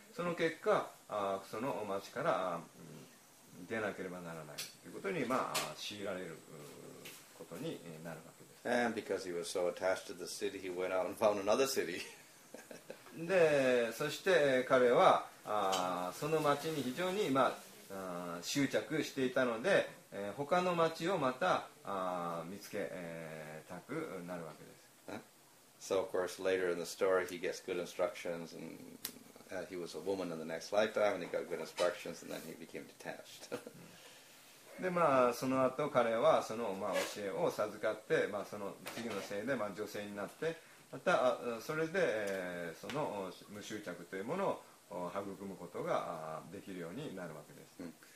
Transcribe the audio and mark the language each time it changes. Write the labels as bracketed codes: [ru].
[ja] その結果、その町から出なければならないということに、まあ、強いられることになるわけです。 [en] And because he was so attached to the city, he went out and found another city. [ja] で、そして彼はその町に非常に、まあ、執着していたので、他の町をまた見つけたくなるわけです。 [en] So of course later in the story he gets good instructions and he was a woman in the next lifetime and he got good instructions and then he became detached. [ja] で、まあその後彼はその、まあ、教えを授かって、まあ、その次のせいで、まあ、女性になってまたそれでその無執着というものを育むことができるようになるわけです。